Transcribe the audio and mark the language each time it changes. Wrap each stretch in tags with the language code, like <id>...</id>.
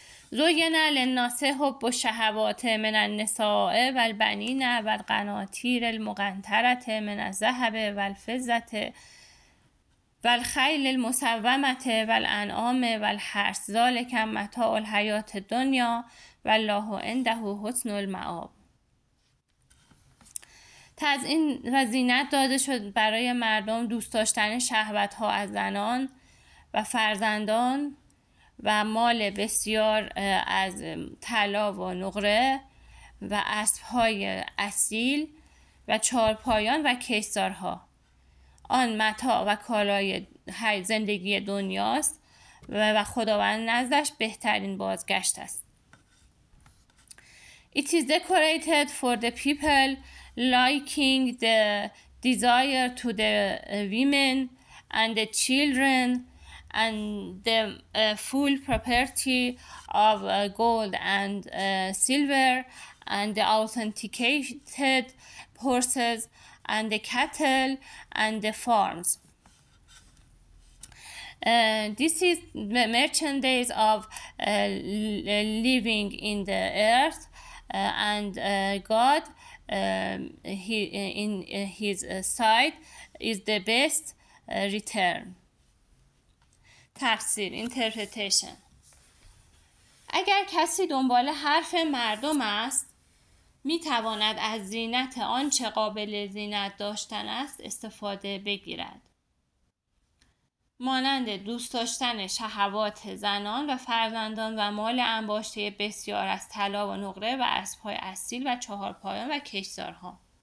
<ar>زوین للناس حب الشهوات من النساء والبنین والقناطیر المقنطرة من الذهب والفضة والخيل المسومة والأنعام والحرث ذلك متاع الحياة الدنيا والله عنده حسن المآب.</ar> <fa>تزیین و زینت داده شد برای مردم دوست داشتن شهوت ها از زنان و فرزندان و مال بسیار از طلا و نقره و اسب های اصیل و چارپایان و کیسرها. آن متاع و کالای هر زندگی دنیاست و خداوند نزدش بهترین بازگشت است.</fa> <en>It is decorated for the people liking the desire to the women and the children and the full property of gold and silver and the authenticated horses and the cattle and the farms. This is the merchandise of living in the earth and God his side is the best return.</en> <fa>تفسیر interpretation. اگر کسی دنبال حرف مردم است می تواند از زینت آن چه قابل زینت داشتن است استفاده بگیرد. مانند دوست داشتن شهوات زنان و فرزندان و مال انباشته بسیار از طلا و نقره و اسب‌های اصیل و چهارپایان و کشتارها.</fa>